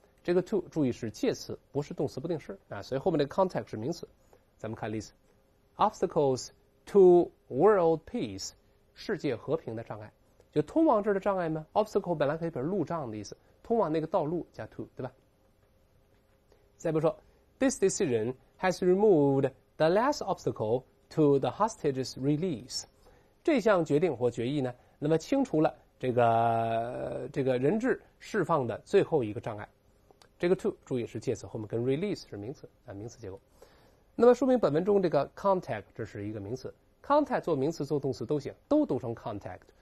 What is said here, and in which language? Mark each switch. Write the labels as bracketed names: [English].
[Chinese] 这个 to 注意是介词，不是动词不定式啊。所以后面的 contact 是名词。咱们看例子 ： [English] obstacles to world peace， [Chinese] 世界和平的障碍，就通往这儿的障碍吗 ？obstacle 本来可以表示路障的意思。通往那个道路加 to， 对吧？ [English] 再比如说 ，this decision has removed the last obstacle to the hostage's release。 [Chinese] 这项决定或决议呢，那么清除了这个人质释放的最后一个障碍。这个 to 注意是介词，后面跟 release 是名词啊，名词结构。那么说明本文中这个 contact 这是一个名词 ，contact 做名词做动词都行，都读成 contact。